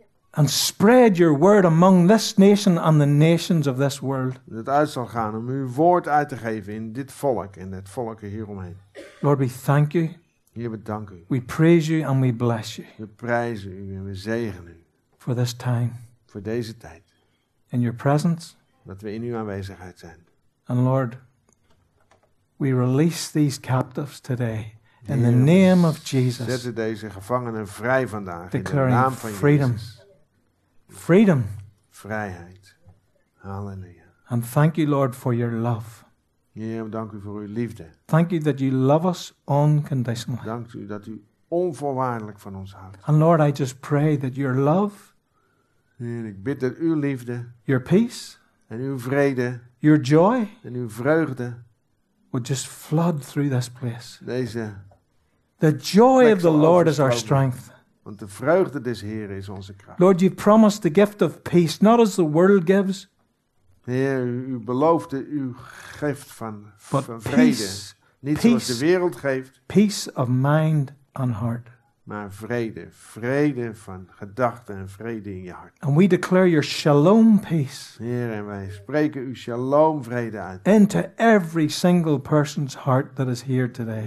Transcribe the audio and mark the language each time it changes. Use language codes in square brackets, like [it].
[en] And spread your word among this nation and the nations of this world. [nl] Dat uit zal gaan om uw woord uit te geven in dit volk en het volk hieromheen. [en] Lord, we thank you. [nl] Heer, we danken u. [en] We praise you and we bless you. [nl] We prijzen u en we zegenen u. [en] For this time. [nl] Voor deze tijd. [en] In your presence. [nl] Dat we in uw aanwezigheid zijn. [en] And Lord, we release these captives today. In the name of Jesus. [nl] Zetten deze gevangenen vrij vandaag. [en] Declaring [nl] in de naam van [en] freedom. [nl] Jezus. [en] Freedom. [nl] Vrijheid. Halleluja. [en] And thank you, Lord, for your love. [nl] Heer, dank u voor uw liefde. [en] Thank you that you love us unconditionally. [nl] Dank u dat u onvoorwaardelijk van ons houdt. [en] And Lord, I just pray that your love. [nl] Heer, ik bid dat uw liefde. [en] Your peace. [nl] En uw vrede. [en] Your joy. [nl] En uw vreugde. [en] Would just flood through this place. [nl] Deze. [en] The joy of the Lord is our strength. [nl] Want de vreugde des Heeren is onze kracht. [en] Lord, you promised the gift of peace, not as the world gives. [nl] Heer, u beloofde uw gift van vrede. Niet [en] peace, [nl] zoals de wereld geeft. [en] Peace of mind and heart. [nl] Maar vrede. Vrede van gedachten en vrede in je hart. [en] And we declare your shalom peace. [nl] Heer, en wij spreken uw shalom vrede uit. [en] Into every single person's heart that is here today.